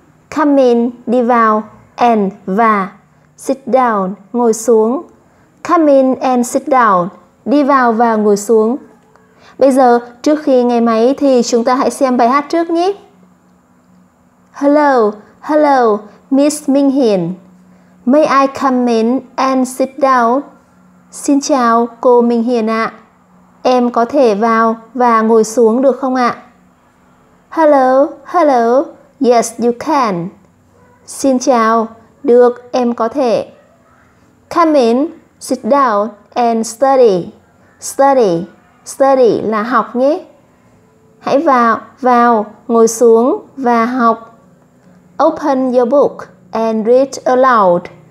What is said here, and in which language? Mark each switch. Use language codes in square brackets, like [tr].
[en] Come in, [vi] đi vào. [en] And, và. Sit down, [vi] ngồi xuống. [en] Come in and sit down. [vi] Đi vào và ngồi xuống. Bây giờ, trước khi nghe máy thì chúng ta hãy xem bài hát trước nhé. [en] Hello, hello, Miss Minh Hiền. May I come in and sit down? [vi] Xin chào, cô Minh Hiền ạ. Em có thể vào và ngồi xuống được không ạ? [en] Hello, hello. Yes, you can. [vi] Xin chào. Được, em có thể. [en] Come in, sit down and study. [vi] Study, study là học nhé. Hãy vào, ngồi xuống và học. [en] Open your book and read aloud.